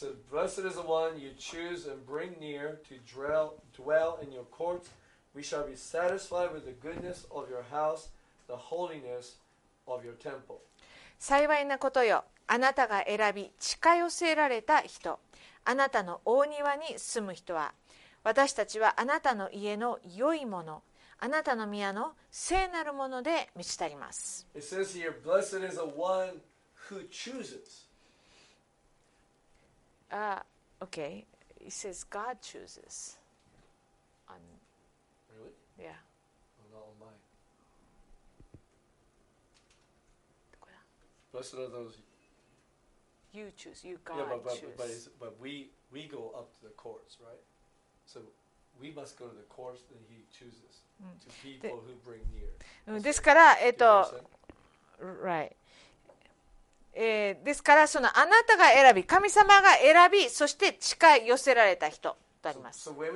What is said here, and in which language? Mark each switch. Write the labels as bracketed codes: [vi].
[en] Blessed is the one you choose and bring near to dwell in your courts. We shall be satisfied with the goodness of your house, the holiness of your temple. [ja] 幸いなことよ、あなたが選び近寄せられた人、あなたの大庭に住む人は、私たちはあなたの家の良いもの、あなたの宮の聖なるもので満ち足ります。 [en] It says here, blessed is the one who chooses. Okay. It says God chooses. Really? Yeah. Oh, not on mine. Blessed are those. You choose. You God choose. Yeah, but we go up to the courts, right? So we must go to the courts that He chooses to people who bring near. [ja] ですから、 [en] right. [ja] ですからそのあなたが選び、神様が選び、そして近い寄せられた人とあります。